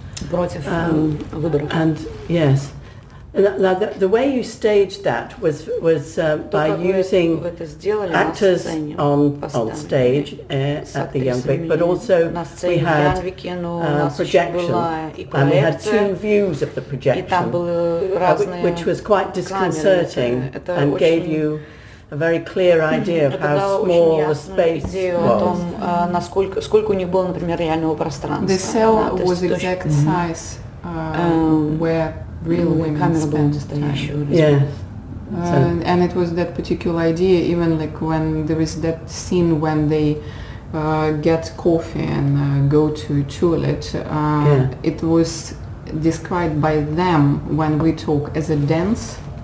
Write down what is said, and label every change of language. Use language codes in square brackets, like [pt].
[en] And yes, now the way you staged that was by using actors on stage at the Janvik, but also we had projection, and we had two views of the projection, which was quite disconcerting and gave you a very clear idea of how small the space was. [ru] Насколько у них было, например, реального пространства. [en] The cell was exact size where real women spend time. Yes. And it was that particular idea, even like when there is that scene when they get coffee and go to toilet, it was described by them when we talk as a dance.